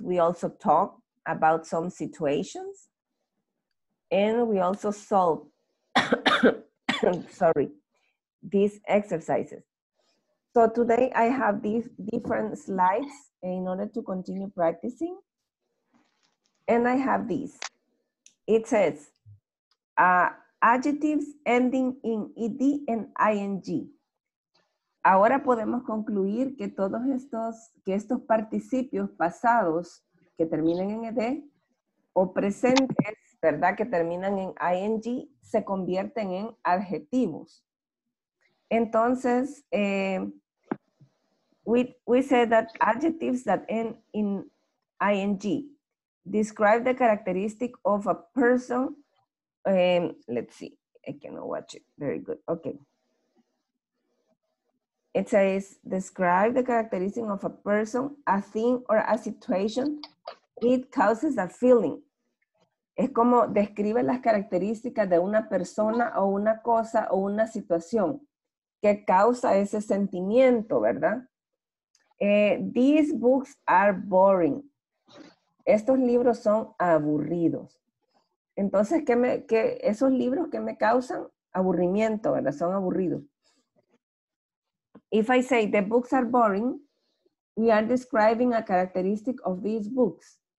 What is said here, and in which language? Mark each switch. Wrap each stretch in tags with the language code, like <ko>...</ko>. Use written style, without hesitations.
<en>We also talked about some situations. And we also solved, sorry, these exercises. So today I have these different slides in order to continue practicing. And I have this. It says, adjectives ending in ed and ing.</en> <es>Ahora podemos concluir que todos estos participios pasados que terminen en ed, o presentes, ¿verdad?, que terminan en ing, se convierten en adjetivos. Entonces,</es> <en>we said that adjectives that end in ing describe the characteristic of a person. Let's see, I cannot watch it. Very good. Okay. It says describe the characteristic of a person, a thing, or a situation. It causes a feeling.</en> <es>Es como describe las características de una persona o una cosa o una situación que causa ese sentimiento, ¿verdad?</es> <en>These books are boring.</en> <es>Estos libros son aburridos. Entonces, esos libros que me causan aburrimiento, ¿verdad? Son aburridos.</es> <en>If I say the books are boring, we are describing a characteristic of these books.</en>